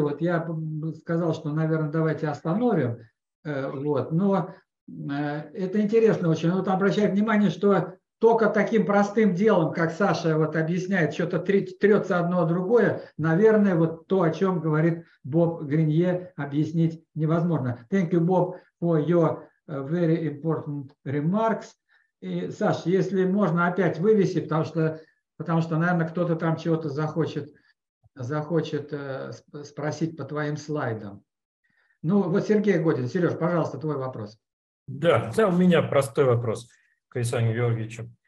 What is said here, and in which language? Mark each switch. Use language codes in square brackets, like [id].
[ru] Вот я сказал, что, наверное, давайте остановим. Вот. Но это интересно очень. Вот обращаю внимание, что только таким простым делом, как Саша вот объясняет, что-то трется одно другое, наверное, вот то, о чем говорит Боб Гринье, объяснить невозможно. [en] Thank you, Bob, for your very important remarks. [ru] И, Саш, если можно опять вывеси, потому что, наверное, кто-то там чего-то захочет спросить по твоим слайдам. Ну, вот Сергей Годин. Сереж, пожалуйста, твой вопрос. Да, у меня простой вопрос. Александр Георгиевич.